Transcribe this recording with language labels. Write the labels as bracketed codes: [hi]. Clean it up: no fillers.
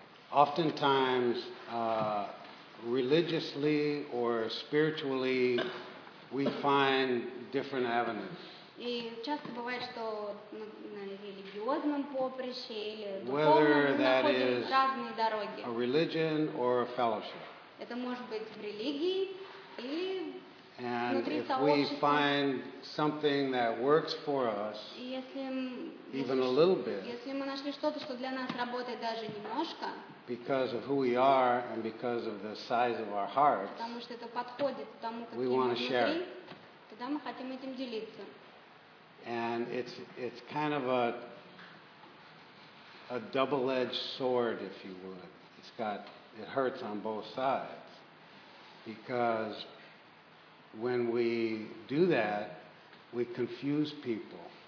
[en] Oftentimes, religiously or spiritually, we find different avenues. [ru] И часто бывает, что на религиозном поприще или духовном [en] Whether [ru] мы [en] that [ru] находим [en] is [ru] разные дороги. [en] A religion or a fellowship. [ru] Это может быть в религии или [en] And [ru] внутри сообщества. [en] And if we find something that works for us, [ru] если, [en] even [ru] если, [en] a little bit, [ru] если мы нашли что-то, что для нас работает даже немножко, [en] because of who we are and because of the size of our hearts, [ru] потому что это подходит тому, как [en] we want to share. [ru] Тогда мы хотим этим делиться. [en] And it's kind of a double-edged sword, if you would. It's got It hurts on both sides because when we do that, we confuse people.